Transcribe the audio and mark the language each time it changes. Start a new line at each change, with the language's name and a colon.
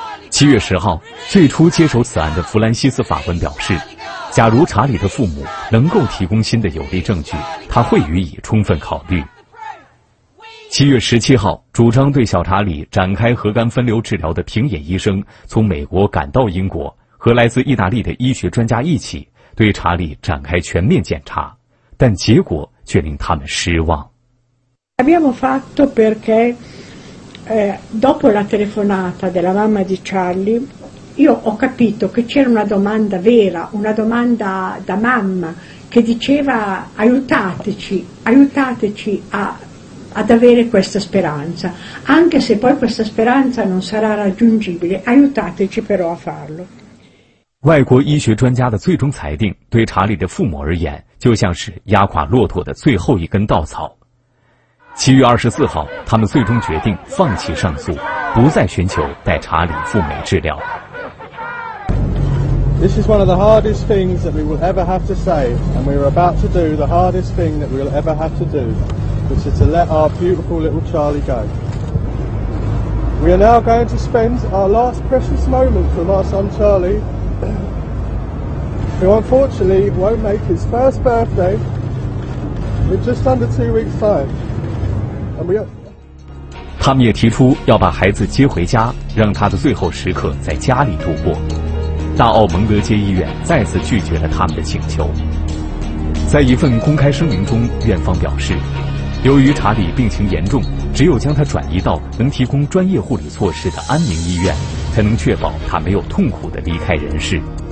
Chinese: 7月10号，最初接手此案的弗兰西斯法官表示，假如查理的父母能够提供新的有力证据，他会予以充分考虑。 7月17号，主张对小查理展开核苷分流治疗的平野医生从美国赶到英国，和来自意大利的医学专家一起对查理展开全面检查，但结果却令他们失望。
Italian: Abbiamo fatto perché dopo la telefonata della mamma di Charlie, io ho capito che c'era una domanda vera, una domanda da mamma che diceva aiutateci ad avere questa speranza, anche se poi questa speranza non sarà raggiungibile, aiutateci però a farlo.
Chinese: 外国医学专家的最终裁定对查理的父母而言就像是压垮骆驼的最后一根稻草。 7月24号他们最终决定放弃上诉，不再寻求带查理赴美治疗。
English: This is one of the hardest things that we will ever have to say, and we are about to do the hardest thing that we will ever have to do, which is to let our beautiful little Charlie go. We are now going to spend our last precious moments with our son Charlie, who unfortunately won't make his first birthday in just under 2 weeks' time. And we are...
Chinese: 他们也提出要把孩子接回家，让他的最后时刻在家里度过。大澳蒙德街医院再次拒绝了他们的请求。在一份公开声明中，院方表示，由于查理病情严重，只有将他转移到能提供专业护理措施的安宁医院，才能确保他没有痛苦地离开人世。